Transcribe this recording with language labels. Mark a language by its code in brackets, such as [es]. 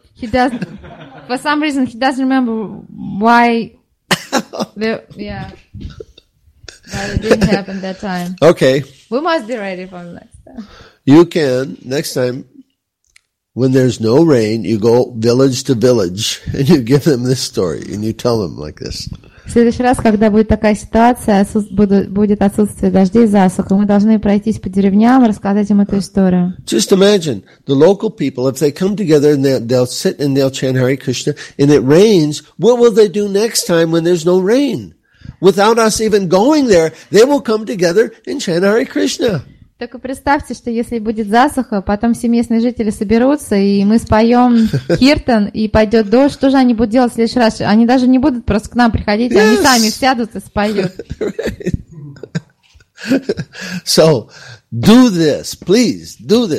[en] He doesn't, for some reason he doesn't remember why. The, yeah. But it didn't happen that time. Okay. We must be ready for next time. You can next time. When there's no rain, you go village to village and you give them this story and you tell them like this. [ru] В следующий раз, когда будет такая ситуация, будет отсутствие дождей, засуха, мы должны пройтись по деревням и рассказать им эту историю. [en] Just imagine the local people, if they come together and they'll sit and they'll chant Hare Krishna and it rains, what will they do next time when there's no rain? Without us even going there, they will come together and chant Hare Krishna. [ru] Только представьте, что если будет засуха, потом все местные жители соберутся, и мы споем киртан, и пойдет дождь, что же они будут делать в следующий раз? Они даже не будут просто к нам приходить, [en] yes. [ru] Они сами сядут и споют. [en] Right. So, do this, please, do this.